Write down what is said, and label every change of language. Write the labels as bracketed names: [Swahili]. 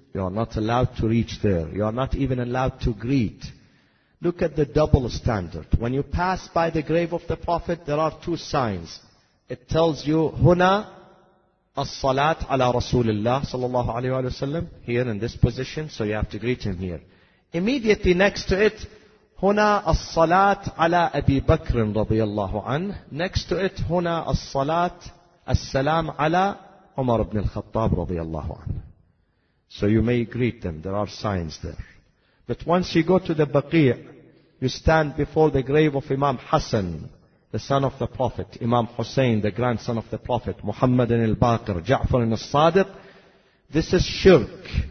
[English] You are not allowed to reach there. You are not even allowed to greet. Look at the double standard. When you pass by the grave of the Prophet, there are 2 signs. It tells you, Huna, [Arabic] الصلاة على رسول الله صلى الله عليه وسلم, [English] here in this position, so you have to greet him here. Immediately next to it, [Arabic] هنا الصلاة على أبي بكر رضي الله عنه. [English] Next to it, [Arabic] هنا الصلاة السلام على عمر بن الخطاب رضي الله عنه. [English] So you may greet them, there are signs there. But once you go to the Baqi', you stand before the grave of Imam Hassan, the son of the Prophet, Imam Hussein, the grandson of the Prophet, Muhammad al-Baqir, Ja'far al-Sadiq. This is shirk.